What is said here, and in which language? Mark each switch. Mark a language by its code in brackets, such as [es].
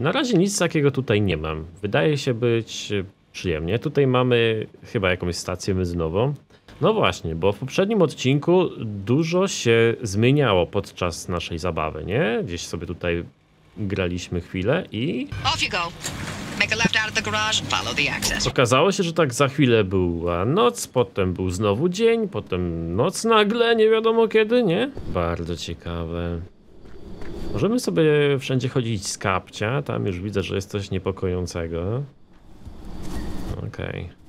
[pl] Na razie nic takiego tutaj nie mam. Wydaje się być przyjemnie. Tutaj mamy chyba jakąś stację benzynową. No właśnie, bo w poprzednim odcinku dużo się zmieniało podczas naszej zabawy, nie? Gdzieś sobie tutaj graliśmy chwilę i... [en] Off you go. Make a left out of the garage, follow the access. [pl] Okazało się, że tak za chwilę była noc, potem był znowu dzień, potem noc nagle, nie wiadomo kiedy, nie? Bardzo ciekawe. Możemy sobie wszędzie chodzić z kapcia, tam już widzę, że jest coś niepokojącego. Okej.